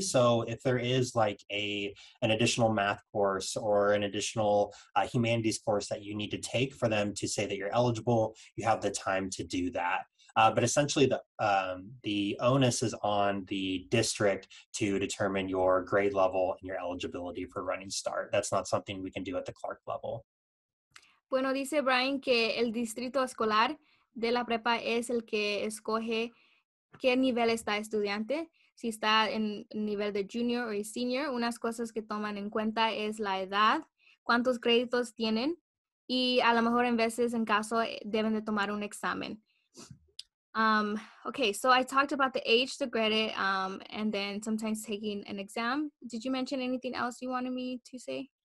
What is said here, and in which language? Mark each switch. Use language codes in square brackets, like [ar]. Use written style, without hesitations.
[en] So if there is like an additional math course or an additional humanities course that you need to take for them to say that you're eligible, you have the time to do that. But essentially, the onus is on the district to determine your grade level and your eligibility for Running Start. That's not something we can do at the Clark level. [es] Bueno, dice Brian que el distrito escolar de la prepa es el que escoge qué nivel está estudiante. Si está en nivel de junior o senior, unas cosas que toman en cuenta es la edad, cuántos créditos tienen, y a lo mejor en veces, en caso, deben de tomar un examen. [en] Okay, so I talked about the age to grade it, and then sometimes taking an exam. Did you mention anything else you wanted me to say?